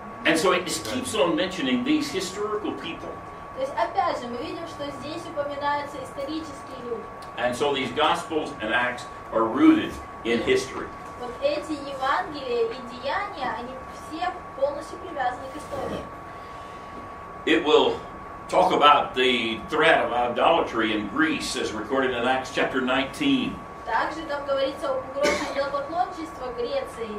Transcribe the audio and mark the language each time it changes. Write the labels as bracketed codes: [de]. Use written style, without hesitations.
[en] And so it just keeps on mentioning these historical people. [ru] То есть, опять же, мы видим, что здесь упоминаются исторические люди. [en] And so these Gospels and Acts are rooted in history. [ru] Вот эти Евангелия и Деяния, они все полностью привязаны к истории. [en] It will talk about the threat of idolatry in Greece as recorded in Acts chapter 19. [ru] Также там говорится об угрозе идолопоклонничества Греции.